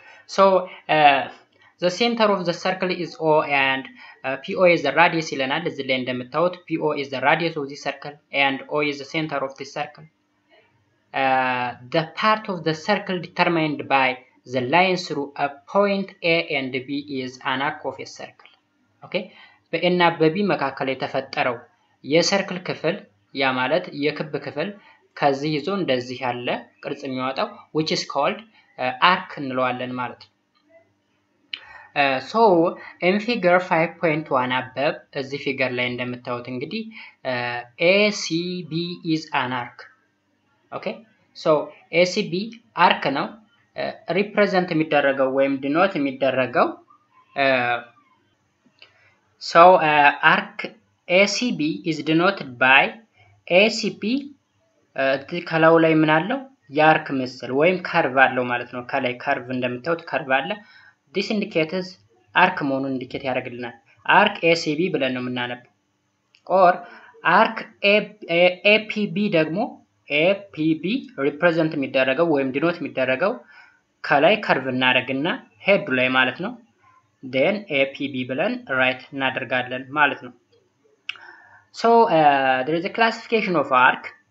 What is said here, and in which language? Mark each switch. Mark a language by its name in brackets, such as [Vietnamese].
[English] so the center of the circle is O and PO is the radius [Amharic] ይለናል። እዚህ ላይ እንደምታውቁት [English] PO is the radius of the circle and O is the center of the circle. The part of the circle determined by the line through a point A and B is an arc of a circle. [Amharic] okay በኤና በቢ መካከል የተፈጠረው የሰርክል ክፍል ያ ማለት የክብ ክፍል ከዚህ ይዞ እንደዚህ ያለ ቅርጽ የሚያወጣው [English] which is called arc [Amharic] እንለዋለን ማለት ነው። [English] So in figure 5.1 above [Amharic] እዚ ፊገር ላይ እንደምታዩት እንግዲህ [English] ACB is an arc. [Amharic] okay so ACB arc ነው represent የሚደረገው ወይም denote የሚደረገው [English] so arc ACB is denoted by ACP [Amharic] ከላው ላይ ምን አለው የአርክ ምስል ወይም curve አለው ማለት ነው። ከላይ curve እንደምታዩት curve አለ። [English] this indicates arc [Amharic] መሆኑ ኢንዲኬት ያደርግልናል። arc ACB ብለን ነው የምናነበው። [English] or arc APB [Amharic] ደግሞ APB represent የሚደረገው ወይም denote የሚደረገው ከላይ curve እናደርግና head ላይ ማለት ነው [English] then APB [Amharic] ብለን write እናደርጋለን ማለት ነው [English] so there is a classification of arc